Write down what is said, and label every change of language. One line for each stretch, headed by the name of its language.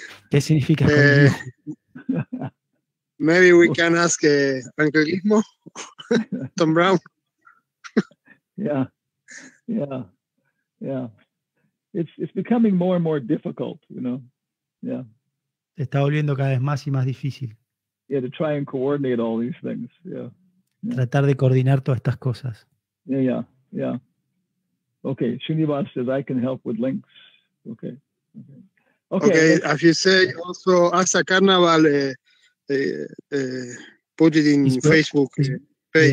Spanish: ¿Qué significa con you?
English: Maybe we can ask Anglismo, Tom Brown. Yeah. It's becoming more and more difficult, you know. Yeah.
Spanish: Está volviendo cada vez más y más difícil.
English: Yeah, to try and coordinate all these things. Yeah. Yeah.
Spanish: Tratar de coordinar todas estas cosas.
English: Yeah. Okay, Srinivas says I can help with links. Okay. Okay. Okay, as you say, also Asa Carnaval put it in Facebook page.